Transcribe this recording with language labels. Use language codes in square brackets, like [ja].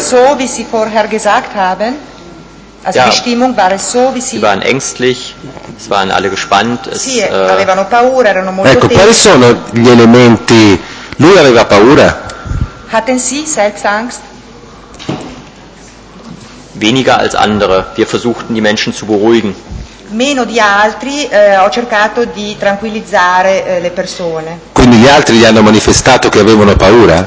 [de] So wie Sie vorher gesagt haben. Also ja, die Stimmung war es so wie Sie. Sie waren ängstlich. Es waren alle gespannt. [it] Sì, avevano paura, erano molto. Ecco, quali sono gli elementi? Lui aveva paura. [de] Hatten Sie selbst Angst? Weniger als andere. Wir versuchten die Menschen zu beruhigen. [it] Meno di altri, ho cercato di tranquillizzare le persone. Quindi gli altri gli hanno manifestato che avevano paura?